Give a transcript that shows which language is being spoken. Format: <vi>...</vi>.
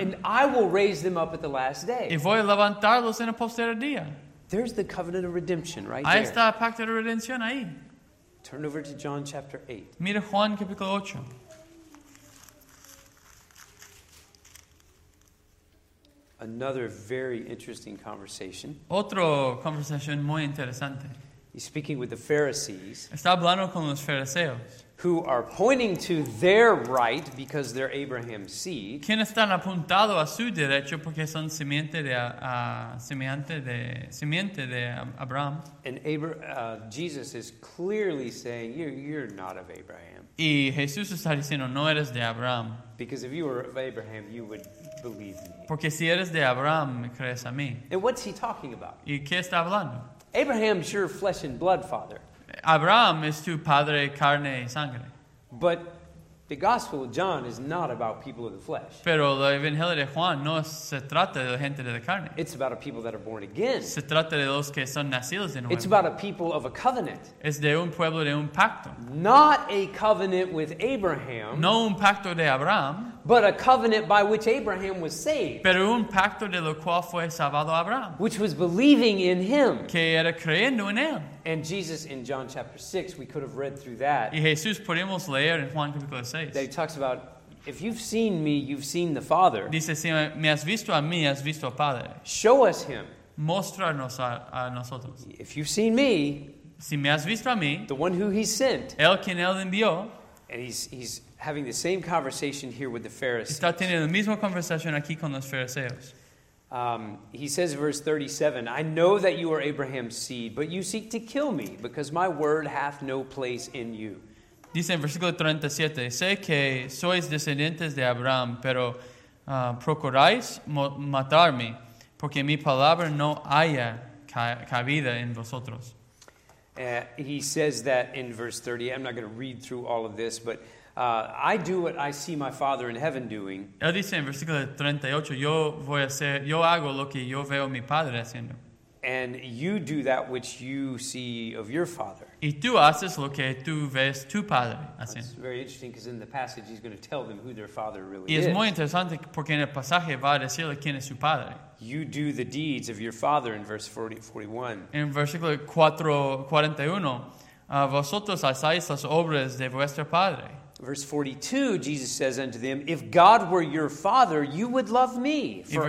<en>And I will raise them up at the last day.</en> <es>Y voy a levantarlos en el postero día.</es> <en>There's the covenant of redemption right there.</en> <es>Ahí está el pacto de redención ahí.</es> <en>Turn over to John chapter 8.</en> <es>Mira Juan capítulo 8.</es> <en>Another very interesting conversation.</en> <es>Otro conversación muy interesante.</es> <en>He's speaking with the Pharisees.</en> <es>Está hablando con los fariseos.</es> <en>Who are pointing to their right because they're Abraham's seed.</en> <es>¿Quién están apuntado a su derecho porque son simiente de Abraham?</es> <en>And Jesus is clearly saying, you're not of Abraham.</en> <es>Y Jesús está diciendo, no eres de Abraham.</es> <en>Because if you were of Abraham, you would believe me.</en> <es>Porque si eres de Abraham, crees a mí.</es> <en>And what's he talking about?</en> <es>¿Y qué está hablando?</es> <en>Abraham's your flesh and blood father.</en> <es>Abraham es tu padre, carne y sangre.</es> <en>But the Gospel of John is not about people of the flesh.</en> <es>Pero el Evangelio de Juan no se trata de gente de la carne.</es> <en>It's about a people that are born again.</en> <es>Se trata de los que son nacidos de nuevo.</es> <en>It's about a people of a covenant.</en> <es>Es de un pueblo de un pacto.</es> <en>Not a covenant with Abraham.</en> <es>No un pacto de Abraham.</es> <en>But a covenant by which Abraham was saved.</en> <es>Pero un pacto de lo cual fue salvado Abraham.</es> <en>Which was believing in him.</en> <es>Que era creyendo en él.</es> <en>And Jesus in John chapter 6, we could have read through that.</en> <es>Y Jesús podemos leer en Juan capítulo 6.</es> <en>That he talks about, if you've seen me, you've seen the Father.</en> <es>Dice, si me has visto a mí, has visto al Padre.</es> <en>Show us him.</en> <es>Mostrarnos a nosotros.</es> <en>If you've seen me.</en> <es>Si me has visto a mí.</es> <en>The one who he sent.</en> <es>El quien él envió.</es> <en>And he's having the same conversation here with the Pharisees.</en> <es>Está teniendo la misma conversación aquí con los fariseos.</es> <en>He says, verse 37, I know that you are Abraham's seed, but you seek to kill me, because my word hath no place in you.</en> <es>Dice en versículo 37, sé que sois descendientes de Abraham, pero procuráis matarme, porque mi palabra no haya cabida en vosotros.</es> <en>He says that in verse 30. I'm not going to read through all of this, but I do what I see my Father in heaven doing.</en> <es>Él dice en versículo 38, yo hago lo que yo veo mi Padre haciendo.</es> <en>And you do that which you see of your Father.</en> <es>Y tú haces lo que tú ves tu Padre haciendo.</es> <en>It's very interesting because in the passage he's going to tell them who their Father really</en> <es>is. Y es muy interesante porque en el pasaje va a decirle quién es su Padre.</es> <en>You do the deeds of your Father in verse 41.</en> <es>En versículo 41, vosotros hacéis las obras de vuestro Padre.</es> <en>Verse 42, Jesus says unto them, if God were your Father, you would love me.</en>